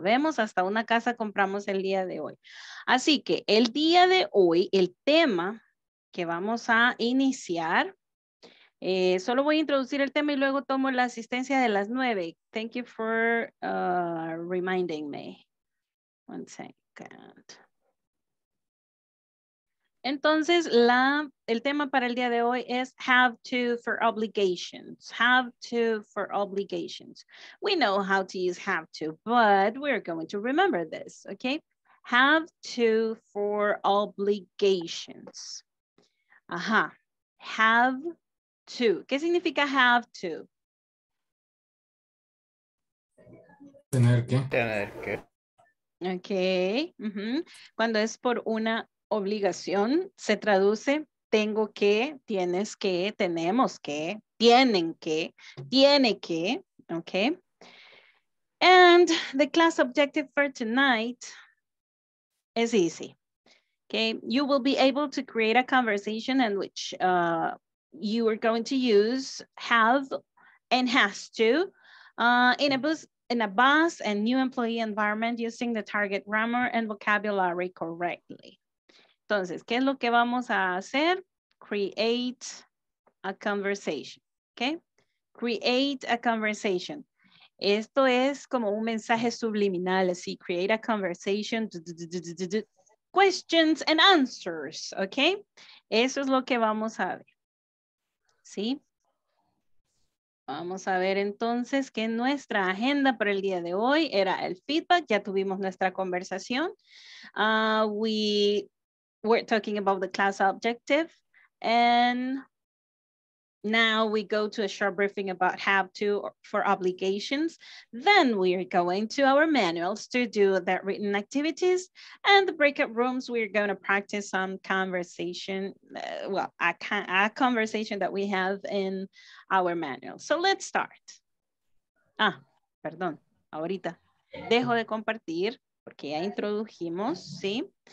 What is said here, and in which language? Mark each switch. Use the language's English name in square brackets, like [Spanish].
[Spanish] Vemos, hasta una casa compramos el día de hoy. Así que el día de hoy, el tema que vamos a iniciar, solo voy a introducir el tema y luego tomo la asistencia de las 9. [English] Thank you for reminding me. One second. [Spanish] Entonces, el tema para el día de hoy es [English] have to for obligations. Have to for obligations. We know how to use have to, but we're going to remember this, okay? Have to for obligations. Ajá. Have to. [Spanish] ¿Qué significa [English] have to? [Spanish] Tener que. Tener que. Okay. Uh-huh. Cuando es por una obligación, se traduce tengo que, tienes que, tenemos que, tienen que, tiene que, okay? [English] And the class objective for tonight is easy, okay? You will be able to create a conversation in which you are going to use have and has to in a bus and new employee environment using the target grammar and vocabulary correctly. [Spanish] Entonces, ¿qué es lo que vamos a hacer? [English] Create a conversation, okay? Create a conversation. [Spanish] Esto es como un mensaje subliminal, así, [English] create a conversation, questions and answers, okay? [Spanish] Eso es lo que vamos a ver, ¿sí? Vamos a ver entonces que nuestra agenda para el día de hoy era el feedback, ya tuvimos nuestra conversación. [English] We're talking about the class objective, and now we go to a short briefing about have to for obligations. Then we are going to our manuals to do the written activities, and the breakout rooms, we're going to practice some conversation, a conversation that we have in our manual. So let's start. [Spanish] Ah, perdón, ahorita dejo de compartir porque ya introdujimos, ¿sí?